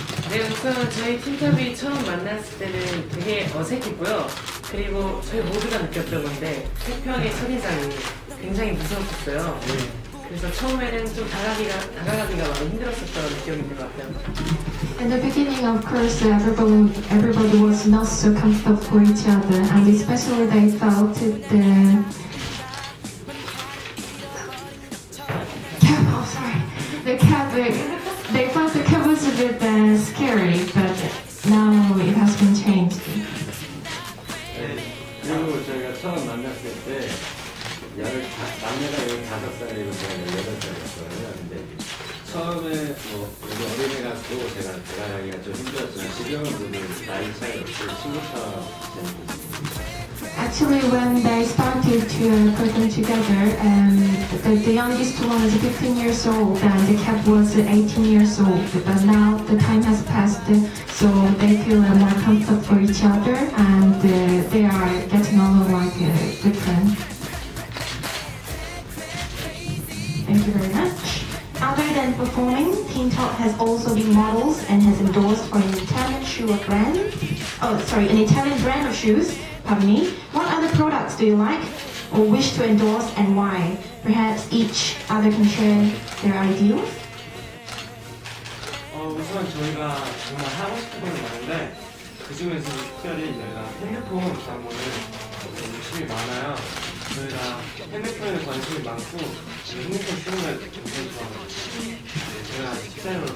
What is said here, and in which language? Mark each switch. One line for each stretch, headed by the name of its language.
Korean: 네, 우선 저희 팀탑이 처음 만났을 때는 되게 어색했고요. 그리고 저희 모두가 느꼈던 건데 태평의 첫인상이 굉장히 무서웠었어요. 그래서 처음에는 좀 다가가기가 많이 힘들었었던 느낌이 있는 것 같아요.
English: In the beginning, of course, everybody was not so comfortable for each other, and especially they felt the cab. Oh, sorry, the cab. They felt the cab was a bit scary, but now it has been changed.
Korean: 네, 그리고 저희가 처음 만났을 때 남녀가 15살이었거든요. 처음에 뭐 여기 어린이 같고 제가 대화하기가 좀 힘들었어요. 지금은 나이 차이 없이 친구처럼 지냈습니다.
English: Actually, when they started to perform together, the youngest one was 15 years old, and the cat was 18 years old. But now the time has passed, so they feel more comfortable for each other, and they are getting along like a good friend. Thank you very much. Other than performing, Teen Top has also been models and has endorsed for an Italian shoe brand. Oh, sorry, an Italian brand of shoes. Pardon me. What other products do you like or wish to endorse, and why? Perhaps each other can share their ideals.
Korean: 우선 저희가 정말 하고 싶은 건 많은데 그 중에서 특별히 내가 핸드폰 장르는 관심이 많아요. 저희가 핸드폰에 관심이 많고. 핸드폰 쇼를 굉장히 좋아합니다.